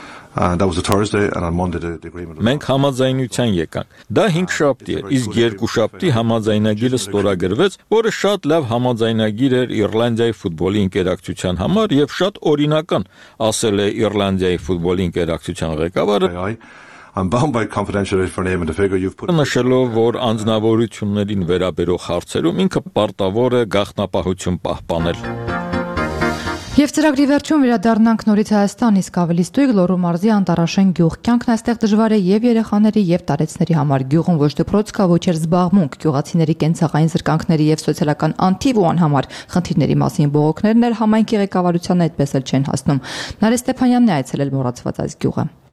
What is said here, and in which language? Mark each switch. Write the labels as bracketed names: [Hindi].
[Armenian] Մենք համաձայնության եկանք։ Դա 5 շաբթի էր, իսկ 2 շաբթի համաձայնագիրը ստորագրվեց, որը շատ լավ համաձայնագիր էր Իռլանդիայի ֆուտբոլի ինտերակցիոն համար և շատ օրինական, ասել է Իռլանդիայի ֆուտբոլի ինտերակցիոն ղեկավարը։ [English] I'm bound by confidentiality for name and a figure you've put. [Armenian] Նշելով, որ անձնավորություններին վերաբերող հարցերում ինքը պարտավոր է գաղտնապահություն պահպանել։ Եվ ծրագրի վերջում վերադառնանք նորից Հայաստան, իսկ ավելի ստույգ Լոռու մարզի Անտարաշեն գյուղ։ Կյանքն այստեղ դժվար է և երեխաների, և տարեցների համար։ Գյուղում ոչ դպրոց կա, ոչ էլ զբաղմունք։ Գյուղացիների կենցաղային զրկանքների և սոցիալական անթիվ ու անհամար խնդիրների մասին բողոքներն էլ համայնքի ղեկավարությանը այդպես էլ չեն հասնում։ Նարե Ստեփանյանն է այցելել մոռացված այս գյուղը։